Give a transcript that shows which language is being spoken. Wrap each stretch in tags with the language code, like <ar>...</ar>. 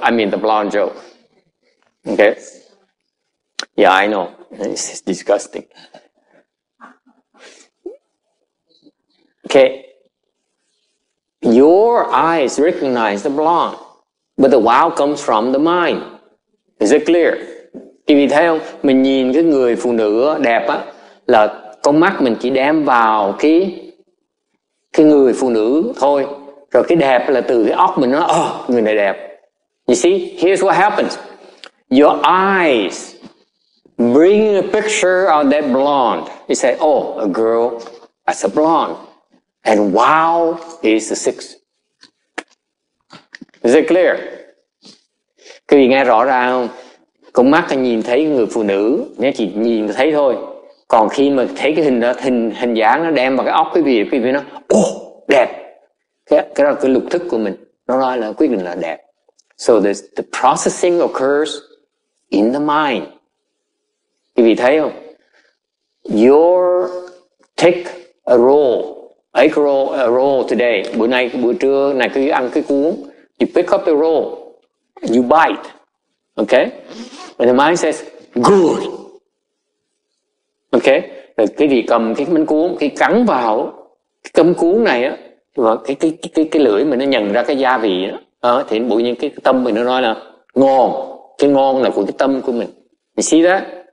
<en>I mean the blonde joke. Okay? Yeah, I know. It's disgusting. Okay. Your eyes recognize the blonde, but the wow comes from the mind. Is it clear?</en> <vi>Quý vị thấy không? Mình nhìn cái người phụ nữ đẹp á, là con mắt mình chỉ đem vào cái người phụ nữ thôi. Rồi cái đẹp là từ cái óc mình nó, oh, người này đẹp.</vi> <en>You see, here's what happens. Your eyes bring a picture of that blonde. You say, oh, a girl, that's a blonde. And wow is the sixth. Is it clear?</en> <vi>Quý vị nghe rõ ra không? Con mắt thì nhìn thấy người phụ nữ, nếu chỉ nhìn thấy thôi. Còn khi mà thấy cái hình đó, hình dáng nó đem vào cái óc quý vị nó, oh, đẹp. Cái đó là cái lục thức của mình. Nó nói là quyết định là đẹp.</vi> <en>So the processing occurs in the mind.</en> <vi>Quý vị thấy không?</vi> <en>Your take a roll, egg roll, a roll today.</en> <vi>Bữa nay, bữa trưa này cứ ăn cái cuốn.</vi> <en>You pick up a roll, you bite. Okay? And the mind says, good. Okay?</en> <vi>Rồi cái gì cầm cái bánh cuốn, cái cắn vào cái cấm cuốn này á, và cái lưỡi mình nó nhận ra cái gia vị á, thì bụi những cái tâm mình nó nói là ngon, cái ngon là của cái tâm của mình.</vi> <en>You see that?</en>